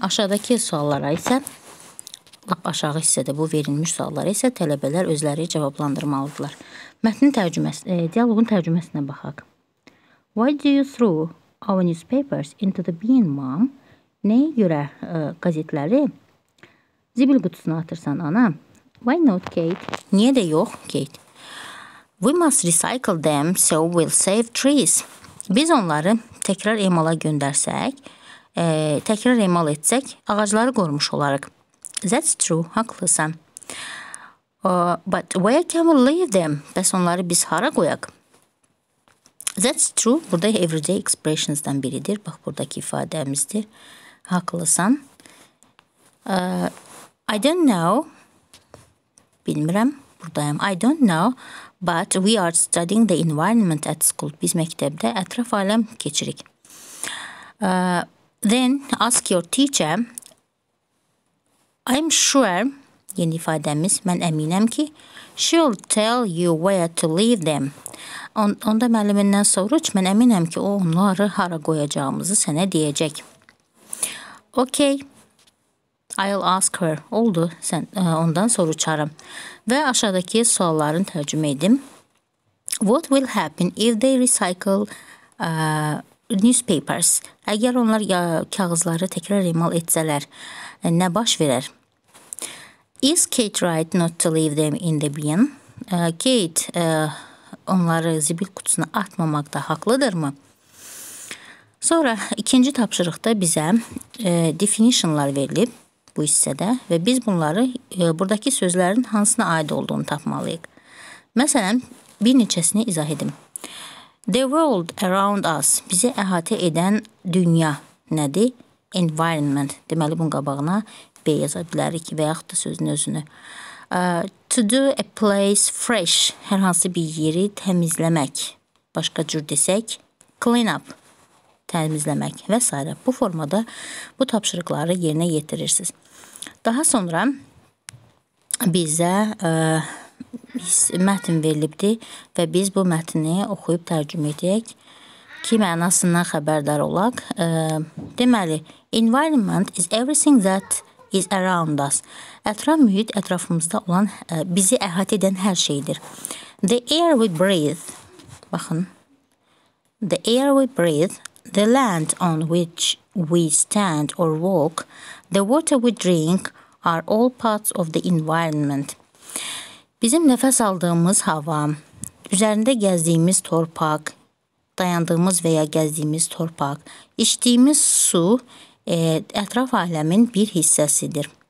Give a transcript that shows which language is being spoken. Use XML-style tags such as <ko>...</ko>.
<az>Aşağıdakı suallara isə, aşağı hissədə bu verilmiş suallara isə tələbələr özləri cavablandırmalıdırlar. Mətnin tərcüməsi, dialogun tərcüməsinə baxaq.</az> <en>Why do you throw our newspapers into the bin, mom?</en> <az>Nəyə görə qəzetləri zibil qutusuna atırsan, ana?</az> <en>Why not, Kate?</en> <az>Niyə də yox, Kate?</az> <en>We must recycle them so we'll save trees.</en> <az>Biz onları təkrar emala göndərsək, təkrar emal etsək, ağacları qorumuş olarıq.</az> <en>That's true,</en> <az>haqlısan.</az> <en>But where can we leave them?</en> <az>Bəs onları biz hara qoyaq?</az> <en>That's true,</en> <az>burada everyday expressions-dan biridir. Bax, buradakı ifadəmizdir. Haqlısan.</az> <en>I don't know.</en> <az>Bilmirəm, buradayım.</az> <en>I don't know. But we are studying the environment at school.</en> <az>Biz məktəbdə ətraf aləm keçirik.</az> <en>Then ask your teacher. I'm sure,</en> <az>yeni ifadəmiz, mən əminəm ki,</az> <en>she'll tell you where to leave them.</en> <az>Onda müəllimindən soruş, mən əminəm ki, o onları hara qoyacağımızı sənə deyəcək.</az> <en>Okay. I'll ask her.</en> <az>Oldu, sən ondan soruşaram. Və aşağıdakı sualların tərcümə edim.</az> <en>What will happen if they recycle newspapers?</en> <az>Əgər onlar kağızları təkrar emal etsələr, nə baş verər?</az> <en>Is Kate right not to leave them in the bin?</en> <az>Kate onları zibil qutusuna atmamaqda haqlıdırmı? Sonra ikinci tapşırıqda bizə definitionlar verilib. Bu hissədə və biz bunları buradakı sözlərin hansına aid olduğunu tapmalıyıq. Məsələn, bir neçəsini izah edim.</az> <en>The world around us,</en> <az>bizi əhatə edən dünya nədir? Environment, deməli, bunun qabağına B yaza bilərik və yaxud da sözün özünü.</az> <en>To do a place fresh,</en> <az>hər hansı bir yeri təmizləmək, başqa cür desək, clean up. Təmizləmək və s. Bu formada bu tapşırıqları yerinə yetirirsiniz. Daha sonra bizə mətn verilibdir və biz bu mətni oxuyub tərcümə edək ki, mənasından xəbərdar olaq.</az> <en>Deməli, environment is everything that is around us.</en> <az>Ətraf mühit ətrafımızda olan bizi əhatə edən hər şeydir.</az> <en>The air we breathe,</en> <az>baxın,</az> <en>the air we breathe, the land on which we stand or walk, the water we drink are all parts of the environment.</en> <az>Bizim nəfəs aldığımız hava, üzərində gəzdiyimiz torpaq, dayandığımız və ya gəzdiyimiz torpaq, içdiyimiz su ətraf aləmin bir hissəsidir.</az>